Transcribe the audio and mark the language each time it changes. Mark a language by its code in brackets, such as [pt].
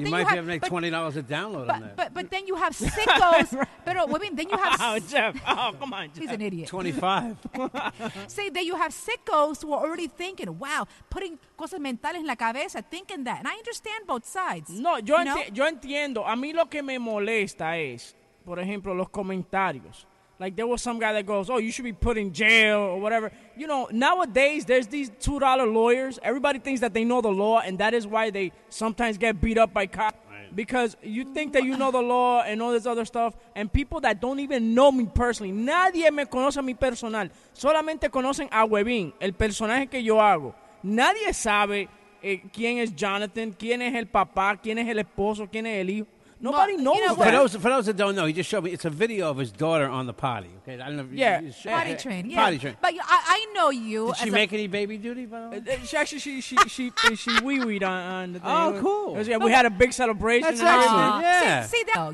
[en] you then might you have, be able to make $20 a download but, on that. But then you have sickos. But women, then you have... Oh, Jeff. Oh, come on, Jeff. He's an idiot. 25. Say that you have sickos. Who are already thinking, wow, putting [es] cosas mentales en la cabeza, [en] thinking that. And I understand both sides. [es] No, yo entiendo. A mí lo que me molesta es, por ejemplo, los comentarios. [en] Like, there was some guy that goes, oh, you should be put in jail or whatever. You know, nowadays, there's these $2 lawyers. Everybody thinks that they know the law, and that is why they sometimes get beat up by cops. Because you think that you know the law and all this other stuff, and people that don't even know me personally. [es] Nadie me conoce a mi personal. Solamente conocen a Webin, el personaje que yo hago. Nadie sabe quién es Jonathan, quién es el papá, quién es el esposo, quién es el hijo. [en] Nobody knows you know that. For those that don't know, he just showed me. It's a video of his daughter on the potty. Okay, I don't know. Potty train. But I know you. Did she make any baby duty, by the way? She wee-weed on the thing. Oh, cool. We had a big celebration. That's excellent. Yeah.